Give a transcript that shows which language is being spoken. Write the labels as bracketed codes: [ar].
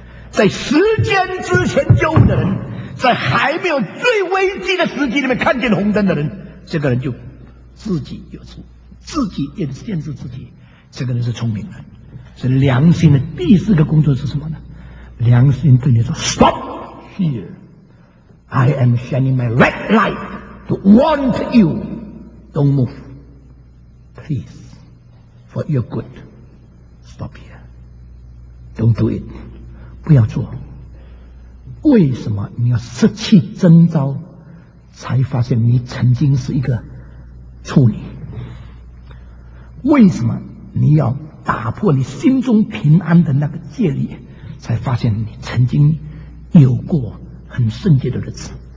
[zh] 在时间之前救的人，在还没有最危机的时机里面看见红灯的人，这个人就自己有错，自己也限制自己，这个人是聪明的。所以良心的第四个工作是什么呢？ [en] 良心对你说 Stop here, I am shining my red light to warn you, don't move, please, for your good, stop here, don't do it, [zh] 不要做。为什么你要失去征召才发现你曾经是一个处女？为什么你要打破你心中平安的那个戒律才发现你曾经有过很圣洁的日子？